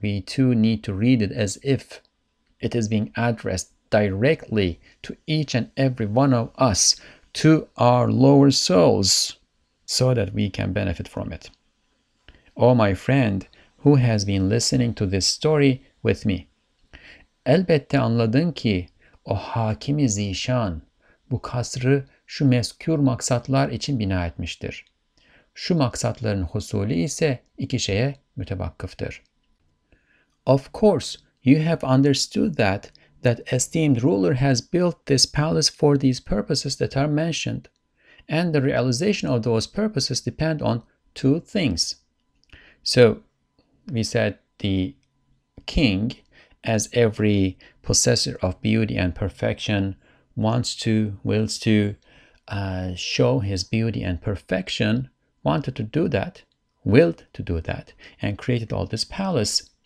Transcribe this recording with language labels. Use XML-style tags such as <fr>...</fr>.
<en>We too need to read it as if it is being addressed directly to each and every one of us, to our lower souls, so that we can benefit from it. Oh, my friend, who has been listening to this story with me?</en> <tr>Elbette anladın ki o hakimi zişan bu kasrı şu mezkür maksatlar için bina etmiştir. Şu maksatların husulü ise iki şeye mütevakkıftır.</tr> <en>Of course, you have understood that esteemed ruler has built this palace for these purposes that are mentioned, and the realization of those purposes depend on two things. So, we said the king, as every possessor of beauty and perfection, wants to show his beauty and perfection, willed to do that, and created all this palace.</en>